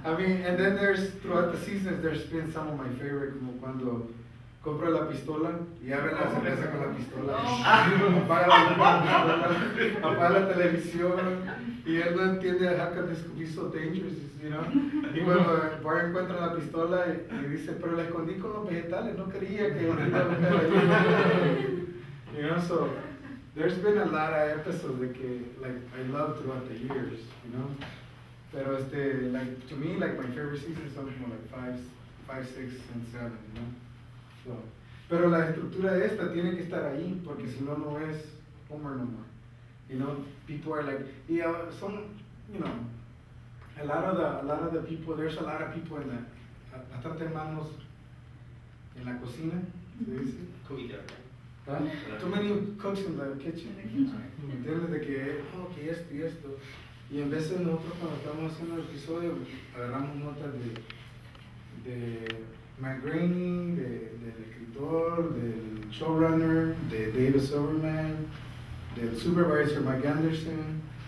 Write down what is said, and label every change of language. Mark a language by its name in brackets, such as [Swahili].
[English] I mean, and then there's, throughout the seasons, there's been some of my favorite, como cuando [Spanish] compra la pistola y abre la cerveza con la pistola. Apaga la televisión y él no entiende a Hackett, es que so dangerous, you know? [English] Y bueno, Bart encuentra la pistola y dice, pero la escondí con los vegetales, no quería que la you know, so there's been a lot of episodes that like I love throughout the years, you know. Pero este, like, to me, like, my favorite season is something like 5, 6, and 7, you know. [Spanish] So, pero la estructura de esta tiene que estar ahí, porque si no, no es Homer no more. [English] You know, people are like, yeah, some, you know, a lot of the people, there's a lot of people in the, bastante manos en la cocina, se dice. [Spanish] Too many cooks in the kitchen. ¿Entiendes? De que, oh, que esto y esto. Y en vez de nosotros, cuando estamos haciendo el episodio, agarramos notas de Matt Groening, del escritor, del showrunner, de David Silverman, del supervisor Mike Anderson.